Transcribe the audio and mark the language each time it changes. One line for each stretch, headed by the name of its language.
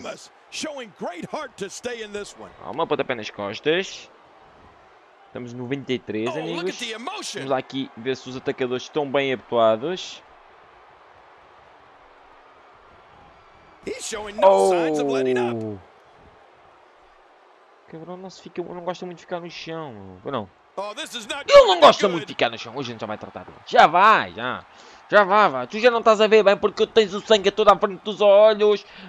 English: Sheamus, showing great heart to stay in this one.
Portuguese: Calma, põe a pé nas costas. Estamos no 93, amigos. Vamos lá aqui ver se os atacadores estão bem habituados.
English: He's showing no signs of letting up.
Portuguese: Cabrão, não se fica, não gosta muito de ficar no chão. Ou não?
English: Oh, this is not
Portuguese: ele não gosta muito de ficar no chão. Hoje a gente já vai tratar dele. Já vá. Tu já não estás a ver bem porque tens o sangue todo à frente dos olhos.